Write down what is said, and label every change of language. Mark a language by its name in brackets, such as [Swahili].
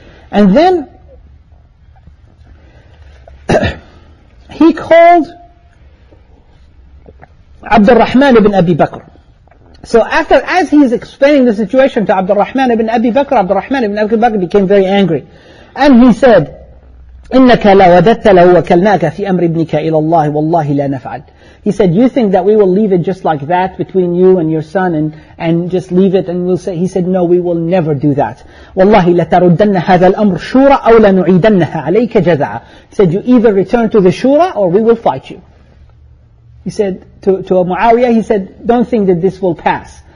[English] And then, he called Abdul Rahman ibn Abi Bakr. So after, as he is explaining the situation to Abdul Rahman ibn Abi Bakr, Abdul Rahman ibn Abi Bakr became very angry. And he said, [Arabic] إِنَّكَ لَا وَدَتَّ لَهُ وَكَلْنَاكَ فِي أَمْرِ ابْنِكَ إِلَى اللَّهِ وَاللَّهِ لَا نَفْعَلْ. [English] He said, you think that we will leave it just like that between you and your son and just leave it and we'll say... He said, no, we will never do that. [Arabic] وَاللَّهِ لَتَرُدَّنَّ هَذَا الْأَمْرُ شُورَ أَوْ لَنُعِيدَنَّهَا عَلَيْكَ جَذَعَ. [English] He said, you either return to the shura or we will fight you. He said to Muawiyah, he said, don't think that this will pass.